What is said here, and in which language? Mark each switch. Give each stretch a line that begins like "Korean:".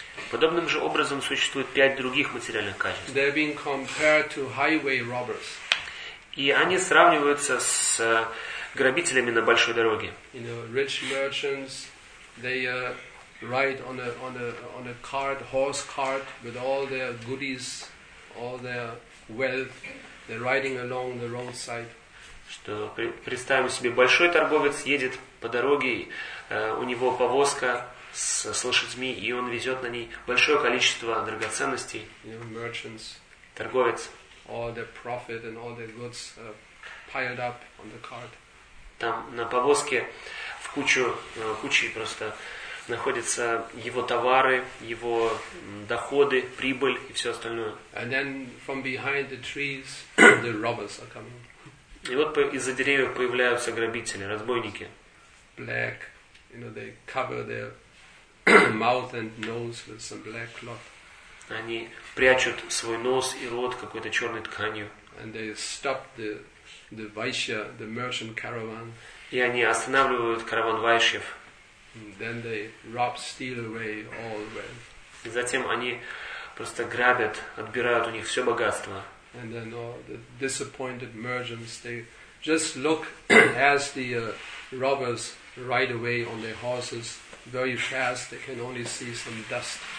Russian: Подобным же образом существует 5 других материальных качеств.
English: They're being compared to highway robbers.
Russian: И они сравниваются с грабителями на большой дороге.
English: You know, rich merchants, they ride on a cart, horse cart, with all their goodies, all their wealth. They're riding along the roadside.
Russian: Что представим себе, большой торговец едет по дороге, у него повозка с лошадьми, и он везет на ней большое количество драгоценностей.
English: You know, merchants.
Russian: Торговец.
English: All the profit and all the goods piled up on the cart.
Russian: Там на повозке в кучу кучей просто находятся его товары, его доходы, прибыль и все остальное.
English: And then from behind the trees, the robbers are coming.
Russian: И вот из-за деревьев появляются грабители, разбойники.
English: Black, you know, they cover their mouth and nose with some black cloth.
Russian: Они прячут свой нос и рот какой-то черной тканью.
English: And they stop the Vaishya, the merchant caravan.
Russian: И они останавливают караван вайшьев.
English: Then they rob, steal away all wealth.
Russian: И затем они просто грабят, отбирают у них все богатство.
English: And then all the disappointed merchants, they just look as the robbers ride away on their horses very fast. They can only see some dust.